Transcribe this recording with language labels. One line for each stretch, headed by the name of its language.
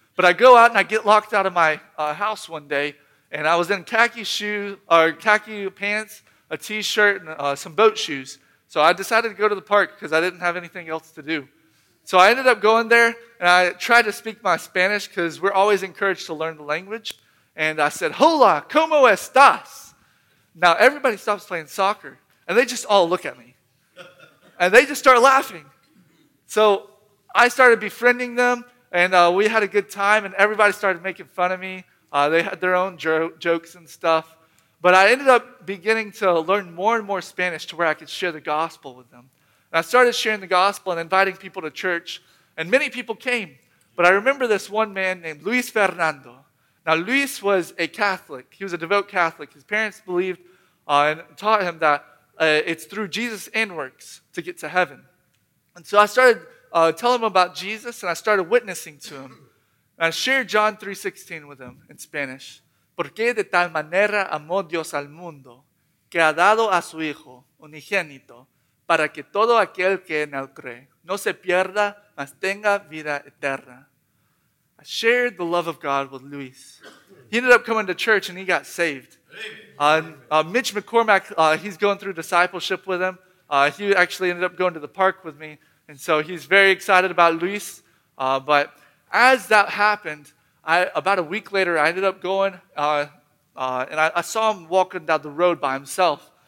English: But I go out, and I get locked out of my house one day, and I was in khaki pants, a t-shirt, and some boat shoes. So I decided to go to the park because I didn't have anything else to do. So I ended up going there, and I tried to speak my Spanish because we're always encouraged to learn the language. And I said,
Spanish: hola, ¿cómo estás?
English: Now everybody stops playing soccer, and they just all look at me. And they just start laughing. So I started befriending them, and we had a good time, and everybody started making fun of me. They had their own jokes and stuff. But I ended up beginning to learn more and more Spanish to where I could share the gospel with them. And I started sharing the gospel and inviting people to church, and many people came. But I remember this one man named Luis Fernando. Now, Luis was a Catholic. He was a devout Catholic. His parents believed and taught him that it's through Jesus and works to get to heaven. And so I started telling him about Jesus, and I started witnessing to him. And I shared John 3:16 with him in Spanish.
Spanish: ¿Por qué de tal manera amó Dios al mundo que ha dado a su Hijo unigénito para que todo aquel que en él cree no se pierda, mas tenga vida eterna?
English: I shared the love of God with Luis. He ended up coming to church and he got saved. Mitch McCormack, he's going through discipleship with him. He actually ended up going to the park with me. And so he's very excited about Luis. But as that happened, about a week later, I ended up going, and I saw him walking down the road by himself.